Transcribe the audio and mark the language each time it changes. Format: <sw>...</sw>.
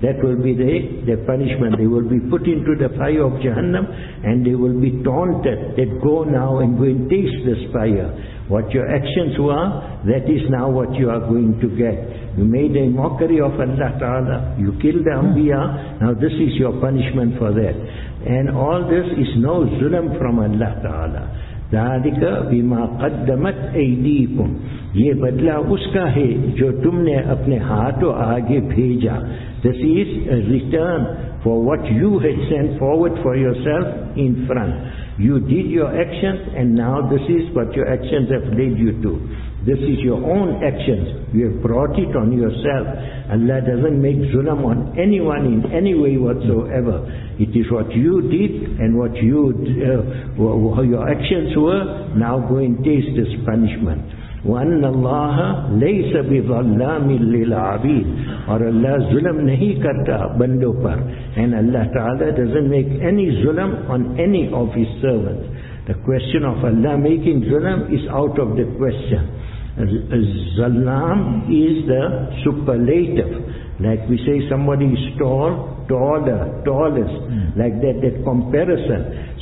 <en>That will be the punishment. They will be put into the fire of Jahannam and they will be taunted that go now and go and taste this fire. What your actions were, that is now what you are going to get. You made a mockery of Allah Ta'ala, you killed the Anbiya, now this is your punishment for that. And all this is no zulm from Allah Ta'ala.</en> <ar>ذَلِكَ بِمَا قَدَّمَتْ أَيْدِيكُمْ</ar> <ur>یہ بدلہ اس کا ہے جو تم نے اپنے ہاتھوں آگے بھیجا.</ur> <en>This is a return for what you had sent forward for yourself in front. You did your actions and now this is what your actions have led you to. This is your own actions. You have brought it on yourself. Allah doesn't make zulam on anyone in any way whatsoever. It is what you did and what you your actions were. Now go and taste this punishment.</en> <ar>وَأَنَّ اللَّهَ لَيْسَ بِظَلَّامٍ لِلْعَبِيدِ</ar> <ur>اور اللہ ظلم نہیں کرتا بندوں پر.</ur> <en>And Allah Ta'ala doesn't make any zulam on any of His servants. The question of Allah making zulam is out of the question. Zalam is the superlative. Like we say somebody is tall, taller, tallest, like that comparison.</en>